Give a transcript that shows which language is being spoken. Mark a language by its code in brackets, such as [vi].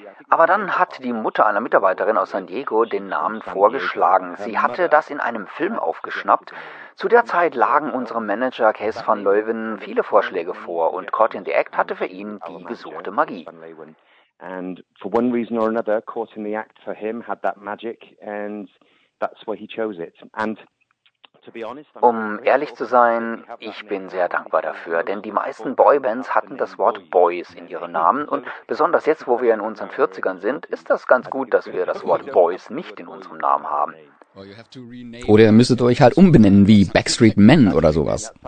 [de] Aber dann hat die Mutter einer Mitarbeiterin aus San Diego den Namen vorgeschlagen. Sie hatte das in einem Film aufgeschnappt. Zu der Zeit lagen unserem Manager Kees van Leeuwen viele Vorschläge vor und Caught in the Act hatte für ihn die gesuchte Magie. [en] And for one reason or another, Caught in the Act for him had that magic and that's why he chose it. And [de] um ehrlich zu sein, ich bin sehr dankbar dafür, denn die meisten Boybands hatten das Wort Boys in ihren Namen und besonders jetzt, wo wir in unseren 40ern sind, ist das ganz gut, dass wir das Wort Boys nicht in unserem Namen haben. Oder ihr müsstet euch halt umbenennen wie Backstreet Men oder sowas.